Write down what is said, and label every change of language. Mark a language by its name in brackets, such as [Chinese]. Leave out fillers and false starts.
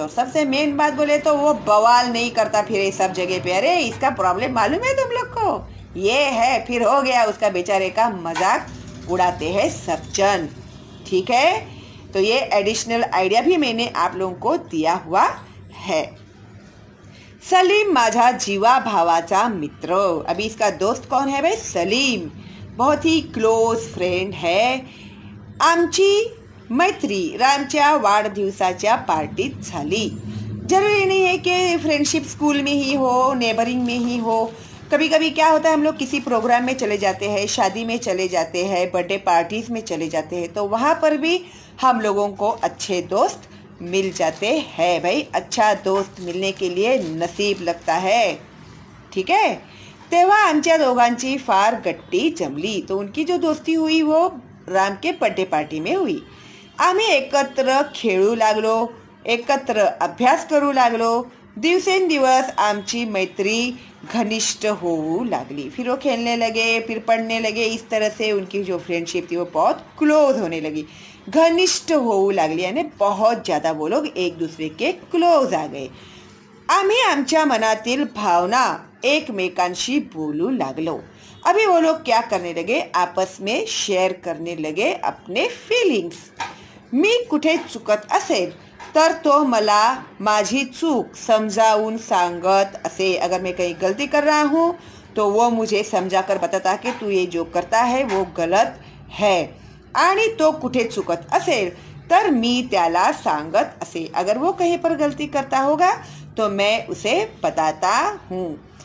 [Hindi] और सबसे मेन बात बोले तो वो बवाल नहीं करता फिर सब जगह पे, अरे इसका प्रॉब्लम मालूम है तुम लोग को, ये है, फिर हो गया, उसका बेचारे का मजाक उड़ाते हैं सब जन, ठीक है. तो ये एडिशनल आइडिया भी मैंने आप लोगों को दिया हुआ है. [Marathi] सलीम माझा जीवा भावाचा मित्र. [Hindi] अभी इसका दोस्त कौन है भाई, सलीम बहुत ही क्लोज फ्रेंड है. [Marathi] आमची मैत्री रामच्या वाढदिवसाच्या पार्टीत झाली. [Hindi] जरूरी नहीं है कि फ्रेंडशिप स्कूल में ही हो, नेबरिंग में ही हो. कभी कभी क्या होता है, हम लोग किसी प्रोग्राम में चले जाते हैं, शादी में चले जाते हैं, बर्थडे पार्टीज में चले जाते हैं, तो वहाँ पर भी हम लोगों को अच्छे दोस्त मिल जाते हैं. भाई अच्छा दोस्त मिलने के लिए नसीब लगता है, ठीक है. [Marathi] तेव्हा आमच्या दोघांची फार गट्टी जमली. [Hindi] तो उनकी जो दोस्ती हुई वो राम के बर्थडे पार्टी में हुई. [Marathi] आम्ही एकत्र खेळू लागलो, एकत्र अभ्यास करू लागलो, दिवसेंदिवस आमची मैत्री घनिष्ठ होऊ लागली. [Hindi] फिर वो खेलने लगे, फिर पढ़ने लगे, इस तरह से उनकी जो फ्रेंडशिप थी वो बहुत क्लोज होने लगी, [Marathi] घनिष्ठ होऊ लागली, [Hindi] यानी बहुत ज़्यादा वो लोग एक दूसरे के क्लोज आ गए. [Marathi] आम्ही आमच्या मनातील भावना एकमेकांशी बोलू लागलो. [Hindi] अभी वो लोग क्या करने लगे, आपस में शेयर करने लगे अपने फीलिंग्स. [Marathi] मी कुठे चुकत असेल तर तो मला माझी चूक समजावून सांगत असे. [Hindi] अगर मैं कहीं गलती कर रहा हूँ तो वो मुझे समझा कर बताता कि तू ये जो करता है वो गलत है. [Marathi] आणि तो कुठे चुकत असेल तर मी त्याला सांगत असे. [Hindi] अगर वो कहीं पर गलती करता होगा तो मैं उसे बताता हूँ.